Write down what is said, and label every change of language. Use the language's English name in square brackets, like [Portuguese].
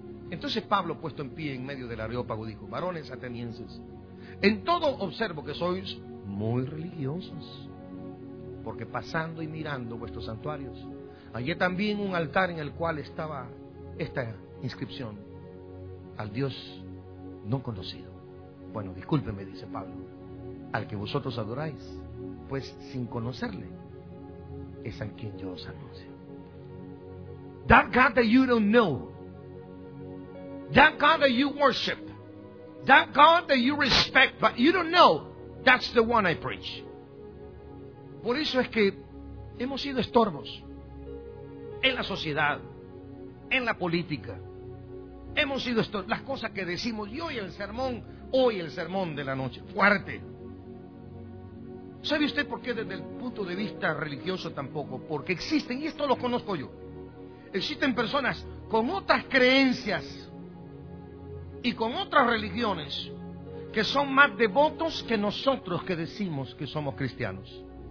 [Spanish] Entonces Pablo, puesto en pie en medio del Areópago, dijo: varones atenienses, en todo observo que sois muy religiosos, porque pasando y mirando vuestros santuarios, hallé también un altar en el cual estaba esta inscripción: al Dios no conocido. Bueno, discúlpeme, dice Pablo, al que vosotros adoráis, pues sin conocerle, es a quien yo os anuncio. [English] That God that you don't know, that God that you worship, that God that you respect, but you don't know, that's the one I preach. [Spanish] Por eso es que hemos sido estorbos en la sociedad, en la política. Hemos sido estorbos. Las cosas que decimos, y hoy el sermón de la noche, fuerte. ¿Sabe usted por qué desde el punto de vista religioso tampoco? Porque existen, y esto lo conozco yo, existen personas con otras creencias y con otras religiones que son más devotos que nosotros que decimos que somos cristianos.